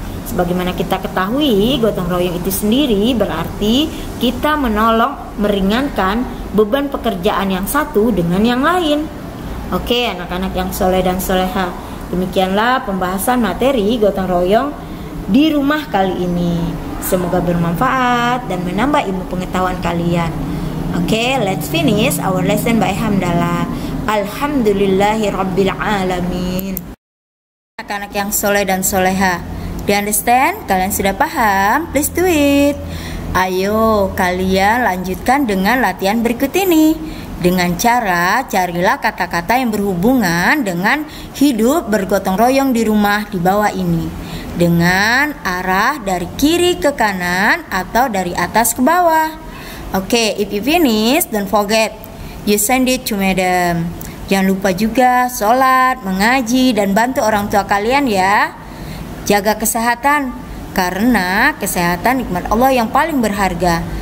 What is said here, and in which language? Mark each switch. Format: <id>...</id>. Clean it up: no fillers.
<id>Sebagaimana kita ketahui, gotong royong itu sendiri berarti kita menolong meringankan beban pekerjaan yang satu dengan yang lain. Oke anak-anak yang soleh dan soleha, demikianlah pembahasan materi gotong royong di rumah kali ini. Semoga bermanfaat dan menambah ilmu pengetahuan kalian.</id> <en>Oke, let's finish our lesson by hamdalah.</en> <ar>Alhamdulillahi rabbil alamin.</ar> <id>Anak-anak yang soleh dan soleha,</id> <en>do you understand?</en> <id>Kalian sudah paham?</id> <en>Please do it.</en> <id>Ayo, kalian lanjutkan dengan latihan berikut ini. Dengan cara carilah kata-kata yang berhubungan dengan hidup bergotong royong di rumah di bawah ini. Dengan arah dari kiri ke kanan atau dari atas ke bawah.</id> <en>Oke, if you finish, don't forget, you send it to madam.</en> <id>Jangan lupa juga sholat, mengaji, dan bantu orang tua kalian ya. Jaga kesehatan, karena kesehatan nikmat Allah yang paling berharga.</id>